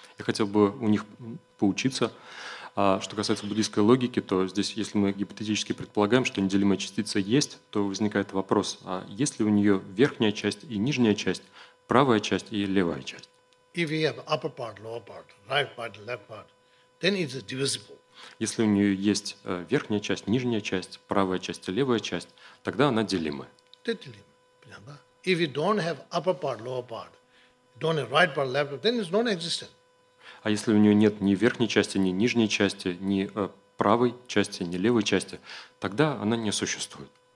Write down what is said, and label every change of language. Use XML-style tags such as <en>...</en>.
<ru>Я хотел бы у них поучиться. А что касается буддийской логики, то здесь, если мы гипотетически предполагаем, что неделимая частица есть, то возникает вопрос, а есть ли у нее верхняя часть и нижняя часть, правая часть и левая часть? Если у нее есть верхняя часть, нижняя часть, правая часть и левая часть, тогда она делима.</ru> <en>If you don't have upper part, lower part, don't have right part, left part, then it's non-existent.</en> <ru>А если у нее нет ни верхней части, ни нижней части, ни правой части, ни левой части, тогда она не существует.</ru>